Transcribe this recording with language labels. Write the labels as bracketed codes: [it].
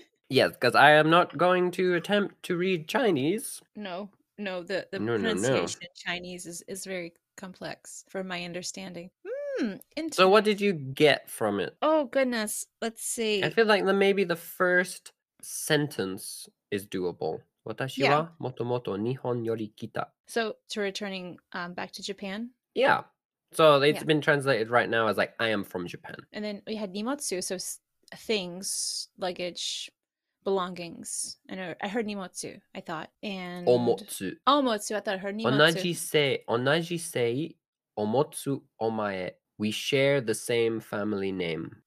[en] Yes, because I am not going to attempt to read Chinese. No, the pronunciation in Chinese is very complex from my understanding. So what did you get from it? Oh, goodness. Let's see. I feel like maybe the first sentence is doable. [ja] 私はもともと日本より来た. [en] So to returning back to Japan? Yeah. So it's been translated right now as like, I am from Japan. And then we had nimotsu, so things, luggage, belongings. And I heard nimotsu, I thought. And [ja] omotsu. [en] Omotsu, I thought I heard nimotsu. [ja] Onaji sei. Omotsu omae. [en] We share the same family name.